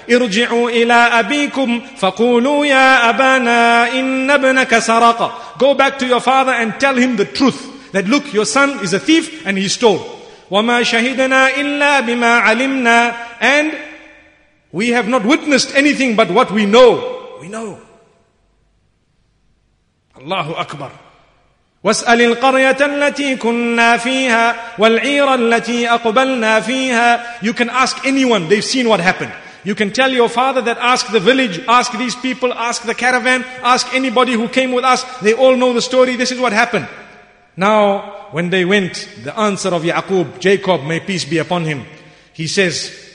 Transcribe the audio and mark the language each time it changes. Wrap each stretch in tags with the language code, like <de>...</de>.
<ar>ارجعوا إلى أبيكم فقولوا يا أبانا إن ابنك سرق.</ar> <en>Go back to your father and tell him the truth. That look, your son is a thief and he stole.</en> <ar>وما شهدنا إلا بما علمنا.</ar> <en>And we have not witnessed anything but what we know. We know. Allahu Akbar.</en> <ar>واسأل القرية التي كنا فيها والعير التي أقبلنا فيها.</ar> <en>You can ask anyone, they've seen what happened. You can tell your father that ask the village, ask these people, ask the caravan, ask anybody who came with us. They all know the story, this is what happened. Now, when they went, the answer of Ya'qub, Jacob, may peace be upon him. He says,</en>